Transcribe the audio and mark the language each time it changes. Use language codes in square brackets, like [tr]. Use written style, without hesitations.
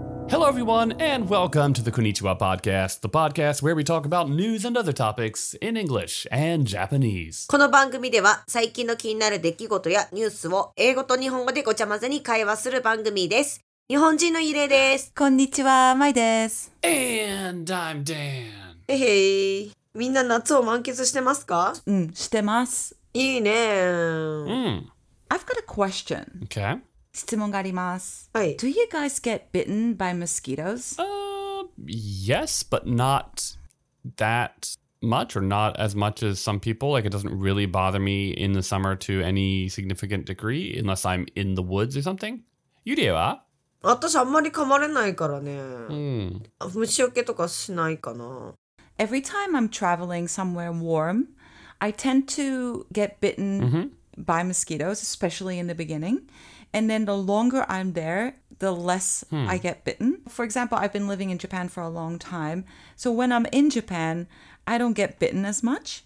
[en] Hello, everyone, and welcome to the Konnichiwa Podcast, the podcast where we talk about news and other topics in English and Japanese. [ja] この番組では最近の気になる出来事やニュースを英語と日本語でごちゃ混ぜに会話する番組です。日本人のゆれです。こんにちは、まいです。 [en] And I'm Dan. [ja] Hey, みんな夏を満喫してますか？うん、してます。いいね。 [en] I've got a question. Okay. [ja] 質問があります。はい。 [en] Do you guys get bitten by mosquitoes? Yes, but not that much or not as much as some people. Like, it doesn't really bother me in the summer to any significant degree unless I'm in the woods or something. [ja] ゆれは？私あんまり噛まれないからね。虫除けとかしないかな。 [en] Every time I'm traveling somewhere warm, I tend to get bitten by mosquitoes, especially in the beginning. And then the longer I'm there, the less I get bitten. For example, I've been living in Japan for a long time. So when I'm in Japan, I don't get bitten as much.